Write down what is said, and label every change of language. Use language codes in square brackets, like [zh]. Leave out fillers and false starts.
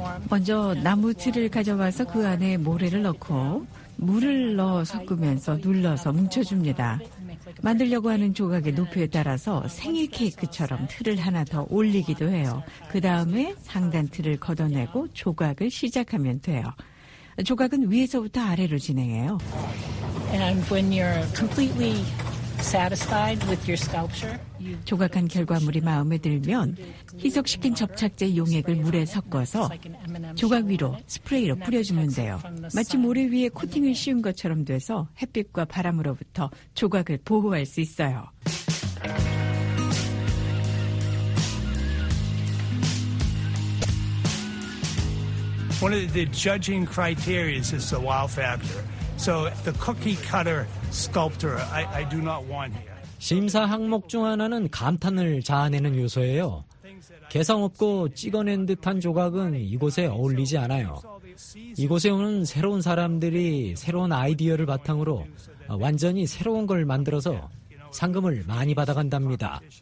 [ko] 먼저 나무 틀을 가져와서 그 안에 모래를 넣고 물을 넣어 섞으면서 눌러서 뭉쳐줍니다. 만들려고 하는 조각의 높이에 따라서 생일 케이크처럼 틀을 하나 더 올리기도 해요. 그 다음에 상단 틀을 걷어내고 조각을 시작하면 돼요. 조각은 위에서부터 아래로 진행해요. [en] And when you're completely satisfied with your sculpture, [ko] 조각한 결과물이 마음에 들면 희석시킨 접착제 용액을 물에 섞어서 조각 위로 스프레이로 뿌려주면 돼요. 마치 모래 위에 코팅을 씌운 것처럼 돼서 햇빛과 바람으로부터 조각을 보호할 수 있어요. [en] 1 of the judging criteria is the wow factor. So the cookie cutter sculptor I do not want here. [ko] 심사 항목 중 하나는 감탄을 자아내는 요소예요. 개성 없고 찍어낸 듯한 조각은 이곳에 어울리지 않아요. 이곳에 오는 새로운 사람들이 새로운 아이디어를 바탕으로 완전히 새로운 걸 만들어서 상금을 많이 받아간답니다.